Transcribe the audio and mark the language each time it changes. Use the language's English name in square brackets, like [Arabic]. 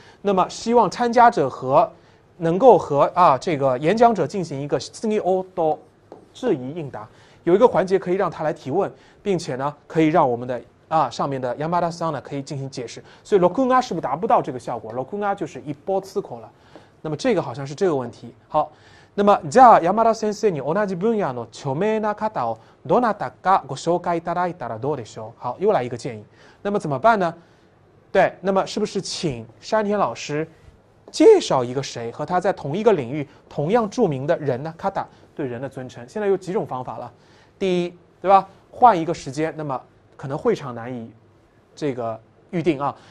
[Chinese] 那么希望参加者和能够和啊这个演讲者进行一个质疑应答，有一个环节可以让他来提问，并且呢可以让我们的啊上面的 Yamada san 呢可以进行解释。所以 Lokunga 是不是达不到这个效果？Lokunga 就是一波次口了。那么这个好像是这个问题。好，那么 [Japanese] じゃあ山田先生に同じ分野の著名な方をどなたかご紹介いただいたらどうでしょう。 [Chinese] 好，又来一个建议。那么怎么办呢？对，那么是不是请山田老师介绍一个谁和他在同一个领域同样著名的人呢？方，对人的尊称。现在有几种方法了。第一，对吧？换一个时间，那么可能会场难以这个预定啊。